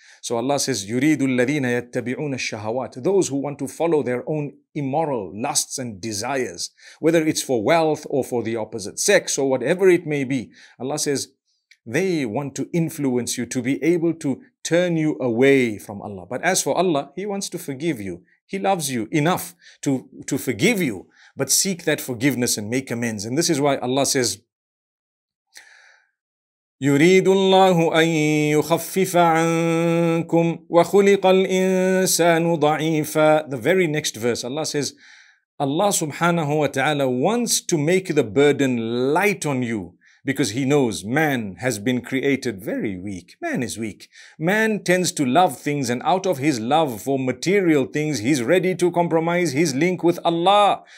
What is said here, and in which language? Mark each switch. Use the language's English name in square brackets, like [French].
[English] So Allah says, [Arabic] يُرِيدُ الَّذِينَ يَتَّبِعُونَ الشَّهَوَاتِ, [English] those who want to follow their own immoral lusts and desires, whether it's for wealth or for the opposite sex or whatever it may be, Allah says, they want to influence you to be able to turn you away from Allah. But as for Allah, He wants to forgive you. He loves you enough to forgive you, but seek that forgiveness and make amends. [Arabic] And this is why Allah says, يُرِيدُ اللَّهُ أَن يُخَفِّفَ عَنْكُمْ وَخُلِقَ الْإِنسَانُ ضَعِيفًا. [English] The very next verse, Allah says, Allah subhanahu wa ta'ala wants to make the burden light on you, because He knows man has been created very weak. Man is weak. Man tends to love things, and out of his love for material things, he's ready to compromise his link with Allah.